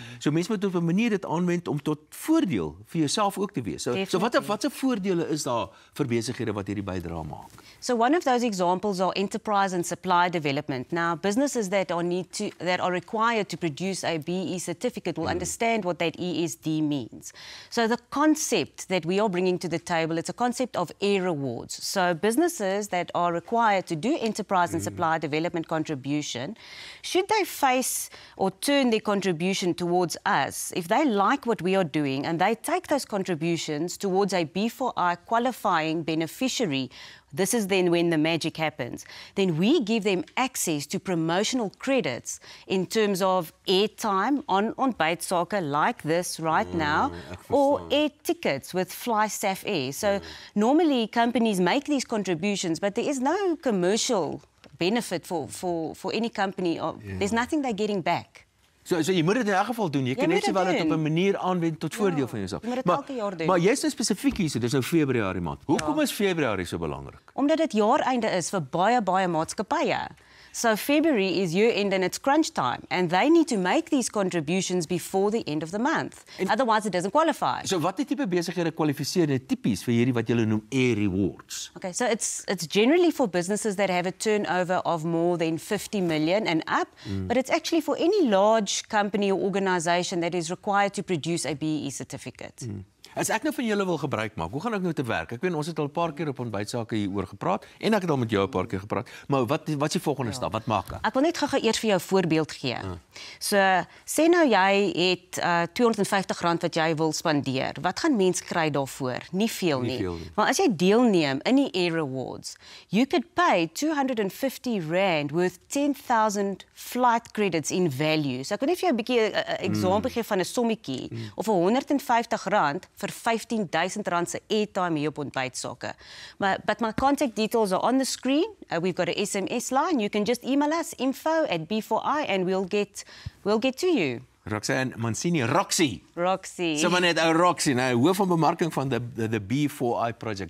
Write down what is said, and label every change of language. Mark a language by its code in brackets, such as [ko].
[af] So mens moet op 'n manier dit aanwend om tot voordeel vir jouself ook te wees. So watse voordele is daar vir besighede wat hierdie bydra maak? [en] So one of those examples are enterprise and supply development. Now businesses that are required to produce a BE certificate will understand what that ESD means. So the concept that we are bringing to the table, it's a concept of air rewards. So businesses that are required to do enterprise and supply development contribution, should they face or turn their contribution towards us, if they like what we are doing and they take those contributions towards a B4I qualifying beneficiary, this is then when the magic happens. Then we give them access to promotional credits in terms of airtime on Ontbytsake like this right now, or air tickets with Fly Saf Air. So normally companies make these contributions, but there is no commercial benefit for any company. There's nothing they're getting back. [af] So jy moet dit in elk geval doen. Jy kan net sowel dit op 'n manier aanwend tot voordeel van jouself. Maar jy's nou spesifiek hier, dis nou Februarie maand. Hoekom is Februarie so belangrik? Omdat dit jaareinde is vir baie maatskappye. [en] So February is year-end and it's crunch time. And they need to make these contributions before the end of the month. Otherwise, it doesn't qualify. [af] So wat die type besighede kwalifiseer dit tipies vir hierdie wat julle noem air rewards? [en] Okay, so it's generally for businesses that have a turnover of more than 50 million and up. But it's actually for any large company or organization that is required to produce a BE certificate. [af] As ek nou van julle wil gebruik maak, hoe gaan ek nou te werk? Ek weet ons het al 'n paar keer op Ontbytsake hier oor gepraat en ek het al met jou 'n paar keer gepraat. Maar wat is die volgende stap? Wat maak ek? Ek wil net gou-gou eers vir jou 'n voorbeeld gee. So, sê nou jy het R250 wat jy wil spandeer. Wat gaan mens kry daarvoor? Nie veel nie. Maar as jy deelneem in die Air Rewards, [en] you could pay R250 worth 10,000 flight credits in value. [af] So ek wil net vir jou 'n bietjie 'n voorbeeld gee van 'n sommetjie of R150 vir R15,000 se airtime hier op Ontbytsake. [en] But my contact details are on the screen. We've got a SMS line. You can just email us info@b4i and we'll get to you. Roxy. [af] So man het Roxy, nou hoof van bemarking van the B4I project.